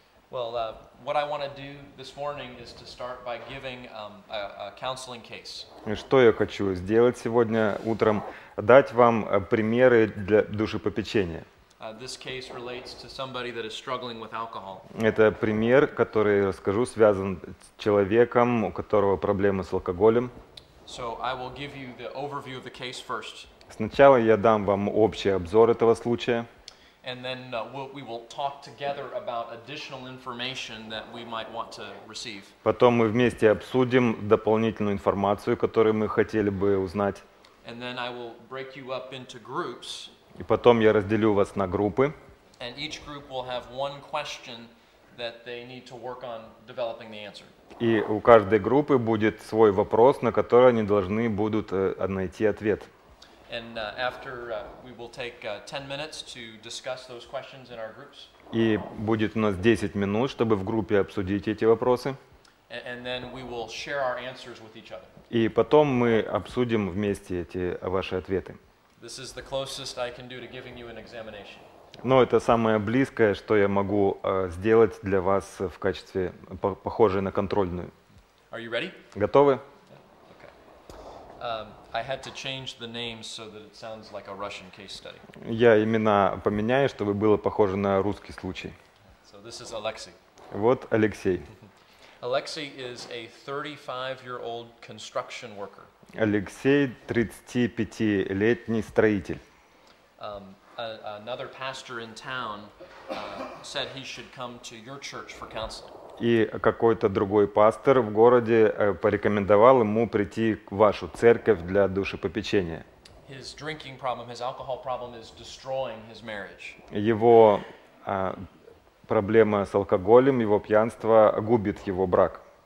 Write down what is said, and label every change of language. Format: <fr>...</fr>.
<en>Well, what I want to do this morning is to start by giving a counseling case.</en> <ru>Что я хочу сделать сегодня утром? Дать вам примеры для душепопечения.</ru> <en>This case relates to somebody that is struggling with alcohol.</en> <ru>Это пример, который я расскажу, связан с человеком, у которого проблемы с алкоголем.</ru> <en>So I will give you the overview of the case first.</en> <ru>Сначала я дам вам общий обзор этого случая.</ru> <en>And then we will talk together about additional information that we might want to receive.</en> <ru>Потом мы вместе обсудим дополнительную информацию, которую мы хотели бы узнать.</ru> <en>And then I will break you up into groups.</en> <ru>И потом я разделю вас на группы.</ru> <en>And each group will have one question that they need to work on developing the answer.</en> <ru>И у каждой группы будет свой вопрос, на который они должны будут найти ответ.</ru> <en>And after we will take 10 minutes to discuss those questions in our groups.</en> <ru>И будет у нас 10 минут, чтобы в группе обсудить эти вопросы.</ru> <en>And then we will share our answers with each other.</en> <ru>И потом мы обсудим вместе эти ваши ответы.</ru> <en>This is the closest I can do to giving you an examination.</en> <ru>Но это самое близкое, что я могу сделать для вас в качестве похожей на контрольную.</ru> <en>Are you ready?</en> <ru>Готовы?</ru> <en>Okay. I had to change the names so that it sounds like a Russian case study.</en> <ru>Я имена поменяю, чтобы было похоже на русский случай.</ru> <en>So this is Alexei.</en> <ru>Вот Алексей.</ru> <en>Alexei is a 35-year-old construction worker.</en> <ru>Алексей 35-летний строитель.</ru> <en>Another pastor in town said he should come to your church for counseling.</en> <ru>И какой-то другой пастор в городе порекомендовал ему прийти к вашу церковь для душепопечения. Его проблема с алкоголем, его пьянство губит его брак.</ru>